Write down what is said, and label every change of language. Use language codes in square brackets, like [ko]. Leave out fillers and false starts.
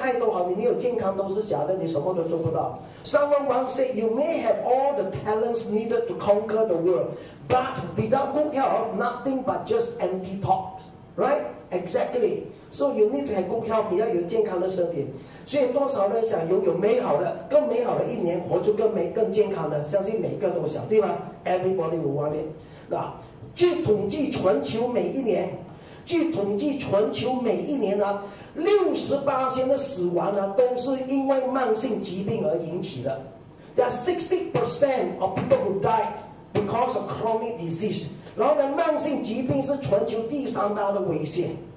[zh] 有人说你有10,000种功能，就是你很厉害了，你很厉害，你很有创意，10,000种的功能，你可以征服世界，甚至可以改变人种，明白吗？夸张来讲了，但是如果你没有健康，全部是空谈，对吗？所以健康真的很重要，你几厉害都好，你没有健康都是假的，你什么都做不到。 [en] Someone once said, "You may have all the talents needed to conquer the world, but without good health, nothing but just empty talk." Right? Exactly. So you need to have good health. [zh] 你要有健康的身体。所以多少人想拥有美好的、更美好的一年，活出更健康的？相信每个都想，对吗 ？ [en] Everybody will want it. [zh] 据统计，全球每一年，68%的死亡都是因为慢性疾病而引起的。 [en] There are 60% of people who died because of chronic disease. [zh] 然后呢，慢性疾病是全球第3大的危险。